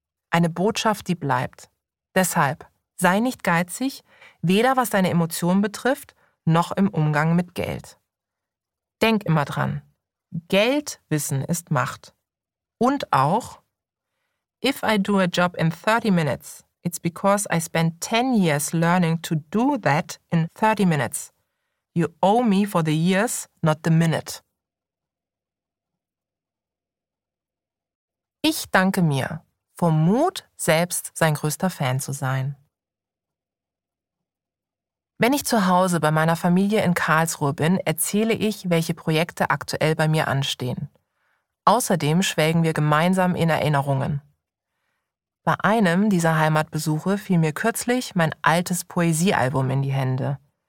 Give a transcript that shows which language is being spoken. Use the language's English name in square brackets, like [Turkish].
[German] Eine Botschaft, die bleibt. Deshalb sei nicht geizig, weder was deine Emotionen betrifft, noch im Umgang mit Geld. Denk immer dran, Geldwissen ist Macht. Und auch, [English] if I do a job in 30 minutes, It's because I spent 10 years learning to do that in 30 minutes. You owe me for the years, not the minute. [German] Ich danke mir vom Mut, selbst sein größter Fan zu sein. Wenn ich zu Hause bei meiner Familie in Karlsruhe bin, erzähle ich, welche Projekte aktuell bei mir anstehen. Außerdem schwelgen wir gemeinsam in Erinnerungen. Bei einem dieser Heimatbesuche fiel mir kürzlich mein altes Poesiealbum in die Hände.